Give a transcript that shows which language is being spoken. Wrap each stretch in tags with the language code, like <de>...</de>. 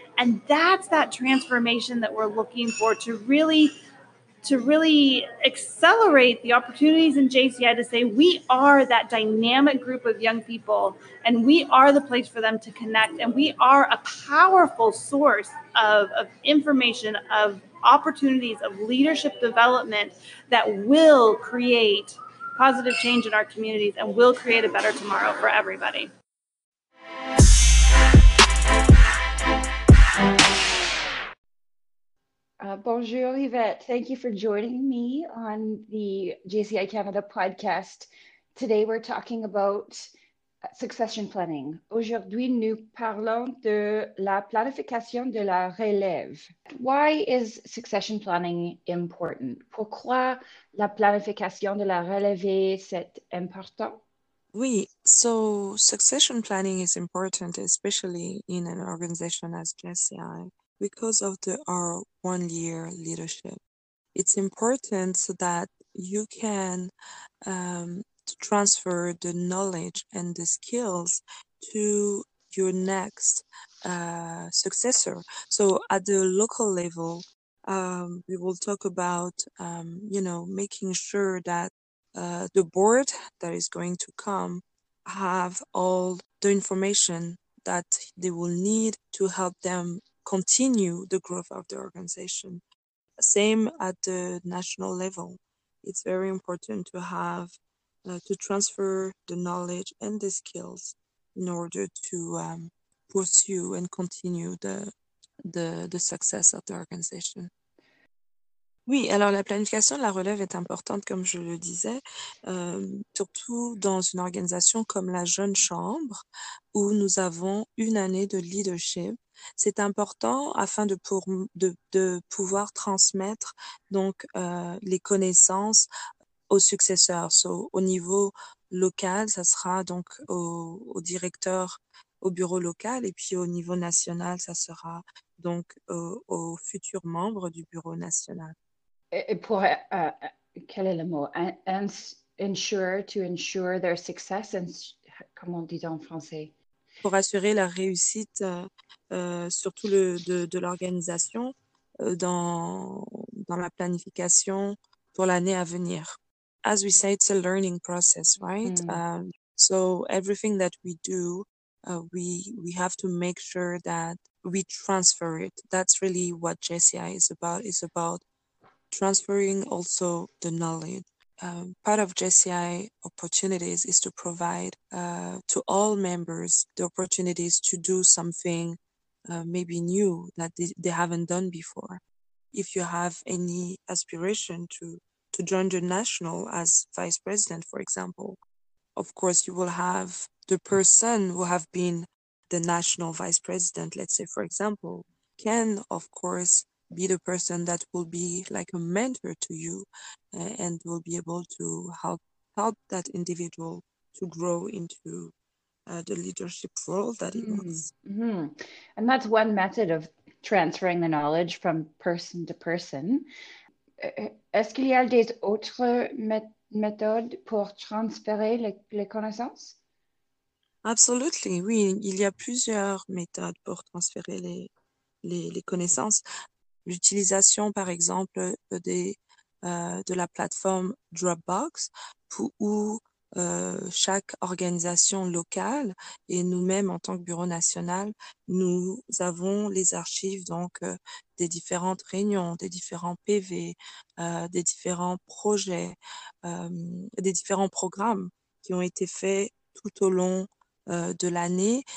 <en>And that's that transformation that we're looking for, to really accelerate the opportunities in JCI to say we are that dynamic group of young people and we are the place for them to connect and we are a powerful source of information, of opportunities, of leadership development that will create positive change in our communities and will create a better tomorrow for everybody.</en> <fr>Bonjour, Yvette.</fr> <en>Thank you for joining me on the JCI Canada podcast. Today, we're talking about succession planning.</en> <fr>Aujourd'hui, nous parlons de la planification de la relève.</fr> <en>Why is succession planning important?</en> <fr>Pourquoi la planification de la relève est important?</fr> <en>Oui, so succession planning is important, especially in an organization as JCI, because of our one-year leadership. It's important so that you can transfer the knowledge and the skills to your next successor. So at the local level, we will talk about, making sure that the board that is going to come have all the information that they will need to help them continue the growth of the organization. Same at the national level. It's very important to have to transfer the knowledge and the skills in order to pursue and continue the success of the organization.</en> <fr>Oui, alors la planification de la relève est importante, comme je le disais, surtout dans une organisation comme la Jeune Chambre, où nous avons une année de leadership. C'est important afin de pouvoir transmettre donc les connaissances aux successeurs. So, au niveau local, ça sera donc au directeur au bureau local, et puis au niveau national, ça sera donc aux futurs membres du bureau national. Et pour, quel est le mot?</fr> <en>To ensure their success,</en> <fr>comment on dit en français? Pour assurer la réussite, surtout de l'organisation, dans, dans la planification pour l'année à venir.</fr> <en>As we say, it's a learning process, right? So everything that we do, we have to make sure that we transfer it. That's really what JCI is about. It's about transferring also the knowledge. Part of JCI opportunities is to provide to all members the opportunities to do something maybe new that they haven't done before. If you have any aspiration to join the national as vice president, for example, of course, you will have the person who have been the national vice president, let's say, for example, can, of course, be the person that will be like a mentor to you and will be able to help that individual to grow into the leadership role that he wants. Mm-hmm. And that's one method of transferring the knowledge from person to person.</en> <fr>Est-ce qu'il y a des autres méthodes pour transférer les connaissances?</fr> <en>Absolutely, oui.</en> <fr>Il y a plusieurs méthodes pour transférer les connaissances. L'utilisation, par exemple, de la plateforme Dropbox, où chaque organisation locale et nous-mêmes en tant que bureau national, nous avons les archives donc des différentes réunions, des différents PV, des différents projets, des différents programmes qui ont été faits tout au long de l'année.</fr>